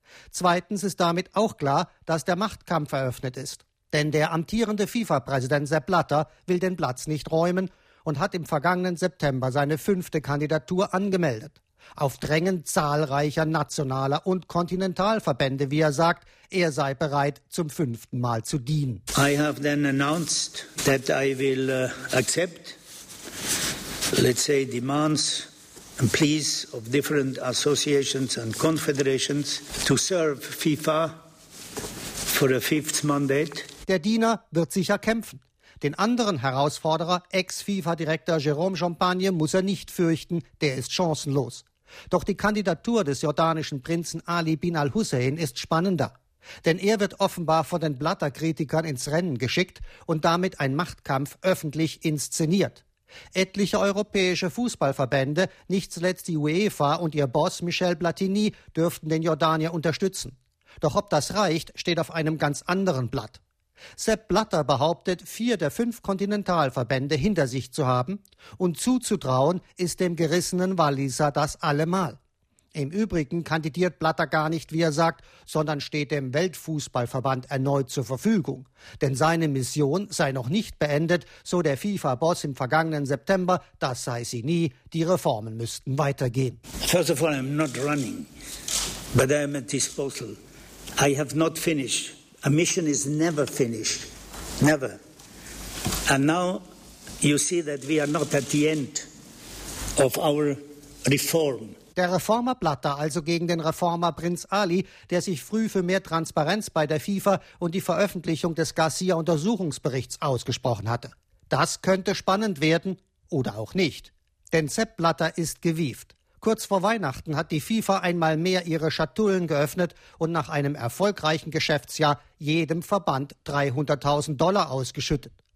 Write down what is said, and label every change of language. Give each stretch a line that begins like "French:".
German: Zweitens ist damit auch klar, dass der Machtkampf eröffnet ist. Denn der amtierende FIFA-Präsident Sepp Blatter will den Platz nicht räumen und hat im vergangenen September seine 5. Kandidatur angemeldet. Auf Drängen zahlreicher nationaler und Kontinentalverbände, wie er sagt, er sei bereit, zum 5. Mal zu dienen.
English: I have then announced that I will accept, let's say, demands and pleas of different associations and confederations to serve FIFA for a 5th mandate.
German: Der Diener wird sicher kämpfen. Den anderen Herausforderer, Ex-FIFA-Direktor Jérôme Champagne, muss er nicht fürchten, der ist chancenlos. Doch die Kandidatur des jordanischen Prinzen Ali bin al-Hussein ist spannender. Denn er wird offenbar von den Blatter-Kritikern ins Rennen geschickt und damit ein Machtkampf öffentlich inszeniert. Etliche europäische Fußballverbände, nicht zuletzt die UEFA und ihr Boss Michel Platini, dürften den Jordanier unterstützen. Doch ob das reicht, steht auf einem ganz anderen Blatt. Sepp Blatter behauptet, 4 der 5 Kontinentalverbände hinter sich zu haben, und zuzutrauen ist dem gerissenen Walliser das allemal. Im Übrigen kandidiert Blatter gar nicht, wie er sagt, sondern steht dem Weltfußballverband erneut zur Verfügung. Denn seine Mission sei noch nicht beendet, so der FIFA-Boss im vergangenen September, das sei sie nie, die Reformen müssten weitergehen.
English: First of all, I'm not running, but I am at disposal. I have not finished. A mission is never finished, never. And now you see that we are not at the end of our reform.
German: Der Reformer Blatter also gegen den Reformer Prinz Ali, der sich früh für mehr Transparenz bei der FIFA und die Veröffentlichung des Garcia-Untersuchungsberichts ausgesprochen hatte. Das könnte spannend werden oder auch nicht. Denn Sepp Blatter ist gewieft. Kurz vor Weihnachten hat die FIFA einmal mehr ihre Schatullen geöffnet und nach einem erfolgreichen Geschäftsjahr jedem Verband $300.000 ausgeschüttet.